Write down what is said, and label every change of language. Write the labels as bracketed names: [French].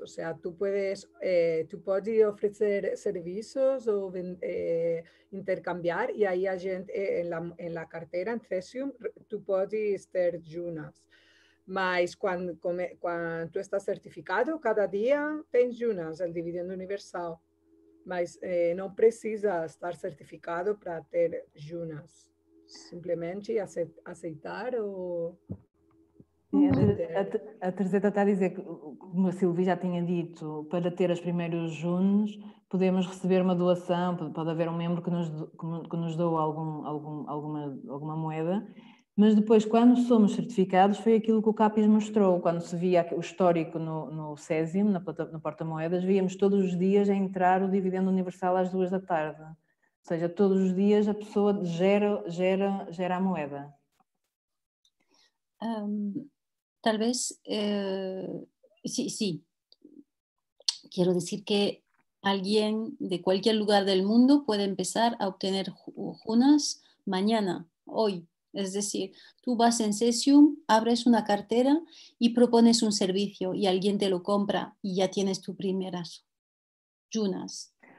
[Spanish] O sea, tú puedes ofrecer servicios o intercambiar y ahí hay gente en la cartera, en Cesium, tú puedes tener junas. [Portuguese] Mas [Spanish] cuando tú estás certificado, cada día tienes junas, el dividendo universal. [Portuguese] Mas no precisa [Spanish] estar certificado para tener junas. [Portuguese] Simplesmente aceitar ou... A Teresa está a dizer que, como a Silvia já tinha dito, para ter os primeiros junos, podemos receber uma doação, pode haver um membro que nos dou alguma moeda, mas depois, quando somos certificados, foi aquilo que o CAPES mostrou, quando se via o histórico no Cesium, no porta-moedas, víamos todos os dias a entrar o dividendo universal às 2 da tarde. Ou seja, todos os dias a pessoa gera a moeda. Talvez, sim, sim. Quero dizer que alguém de qualquer lugar do mundo pode começar a obter junas [Spanish] mañana, [Portuguese] hoje. [Spanish] Es decir, tú vas en Cesium, abres una cartera y propones un servicio y alguien te lo compra y ya tienes tus primeras junas.